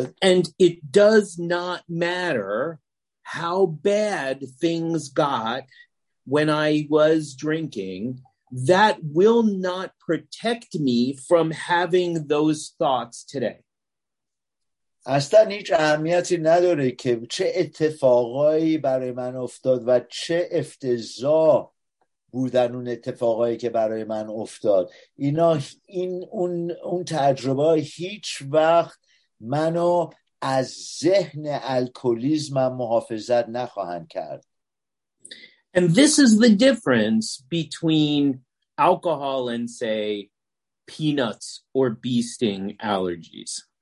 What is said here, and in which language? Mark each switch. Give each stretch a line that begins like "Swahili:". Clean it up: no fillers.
English: And it does not matter how bad things got when I was drinking that will not protect me from having those thoughts today
Persian: اصلا هیچ اهمیتی نداره که چه اتفاقایی برای من افتاد و چه افتضاح بودن اون اتفاقایی که برای من افتاد اینا این اون تجربه هیچ وقت منو از ذهن الکلیسم محافظت نخواهند کرد
English: And this is the difference between alcohol and say peanuts or bee sting allergies